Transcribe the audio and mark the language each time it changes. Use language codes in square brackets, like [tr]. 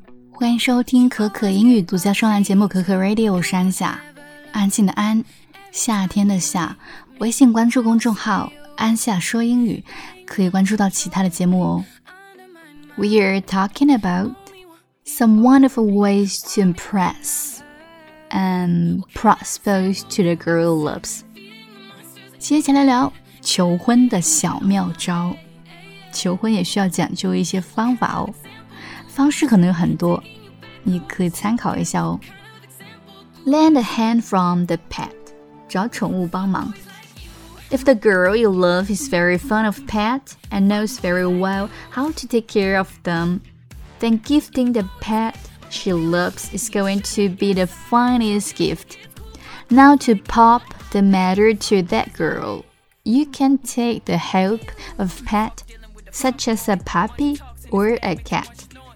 [zh] 欢迎收听可可英语独家专栏节目可可 Radio， 我是安夏，安静的安，夏天的夏。微信关注公众号安夏说英语，可以关注到其他的节目哦。 [en] We are talking about some wonderful ways to impress and propose to the girl loves。 [zh] 接下来聊求婚的小妙招，求婚也需要讲究一些方法哦，方式可能有很多，你可以参考一下哦。 [en] Lend a hand from the pet， [zh] 找宠物帮忙。 [en] If the girl you love is very fond of pet and knows very well how to take care of them, then gifting the pet she loves is going to be the finest gift. Now to pop the matter to that girl, you can take the help of pet such as a puppy or a cat.